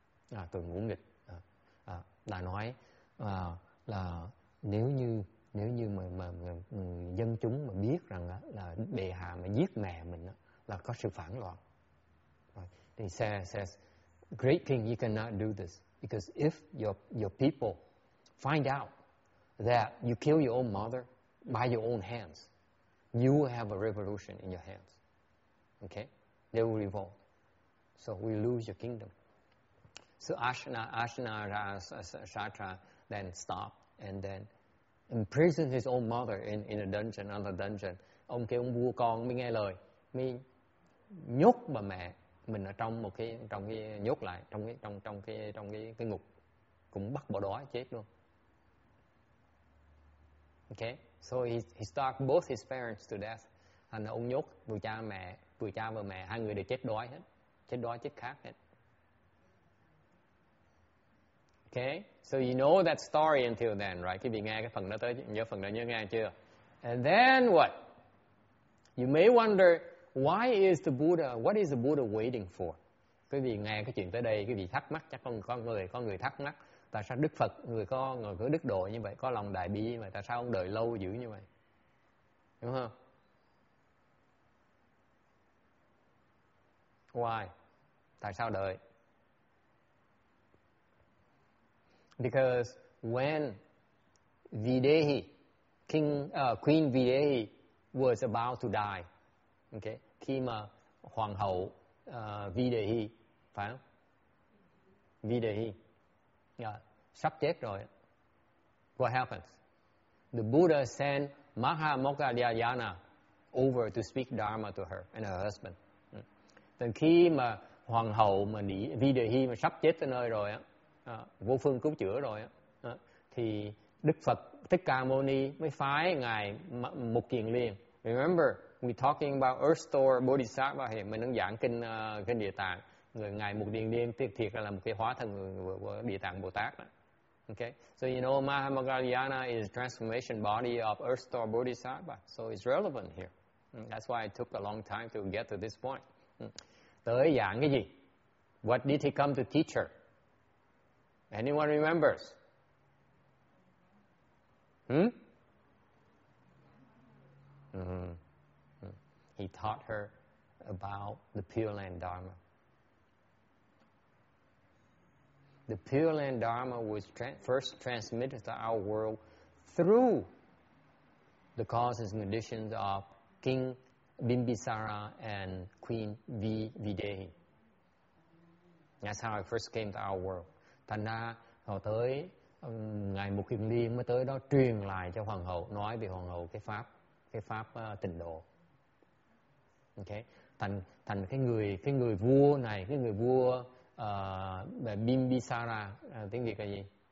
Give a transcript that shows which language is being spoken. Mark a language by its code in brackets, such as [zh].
[vi] À, tôi ngủ nghịch. Là nói là nếu như mà dân chúng mà biết rằng là bệ hạ mà giết mẹ mình đó, là có sự phản loạn. [en] Right. He says, great king, you cannot do this because if your people find out that you kill your own mother by your own hands, you will have a revolution in your hands. Okay? They will revolt. So we lose your kingdom. So Ashna Shatra then stopped and then imprisoned his own mother in a dungeon, another dungeon. [vi] Ông kêu ông vua con mới nghe lời, mới nhốt bà mẹ mình ở trong cái nhốt lại trong cái ngục, cũng bắt bỏ đói chết luôn. [en] Okay, so he starved both his parents to death. [vi] Thành ông nhốt vừa cha và mẹ hai người đều chết đói chết khát hết. [en] Okay, so you know that story until then, right? [vi] Khi bị nghe cái phần đó tới, nhớ phần đó nhớ nghe chưa? [en] And then what? You may wonder, why is the Buddha, what is the Buddha waiting for? [vi] Quý vị nghe cái chuyện tới đây, quý vị thắc mắc, chắc có người thắc mắc, tại sao Đức Phật, người có đức độ như vậy, có lòng đại bi như vậy, tại sao ông đợi lâu dữ như vậy? Đúng không? [en] Why? [vi] Tại sao đợi? [en] Because when Videhi, King, Queen Videhi was about to die, okay, [vi] khi mà hoàng hậu Videhi, phải không? Videhi, yeah, sắp chết rồi. [en] What happens? The Buddha sent Maha Moggallana over to speak Dharma to her and her husband. [vi] Then khi mà hoàng hậu mà đi Videhi mà sắp chết tới nơi rồi á, vô phương cứu chữa rồi á, thì Đức Phật Thích Ca Mâu Ni mới phái ngài Mục Kiền Liên. [en] Remember, we talking about Earth Store Bodhisattva here. [vi] Mình đang giảng kinh kinh Địa Tạng. Người ngài Mục Kiền Liên thiệt là một cái hóa thân của Địa Tạng Bồ Tát. [en] Okay, so you know Mahamoggallana is transformation body of Earth Store Bodhisattva, so it's relevant here. That's why it took a long time to get to this point. Tới giảng cái gì? What did he come to teach her? Anyone remembers? He taught her about the Pure Land Dharma. The Pure Land Dharma was first transmitted to our world through the causes and conditions of King Bimbisara and Queen Videhi. That's how it first came to our world. [vi] Thành ra họ tới ngài Mục Kiền Liên mới tới đó truyền lại cho hoàng hậu, nói về hoàng hậu cái pháp tịnh độ. Okay, thành cái người vua này, cái người vua Bimbisara, tiếng Việt là gì?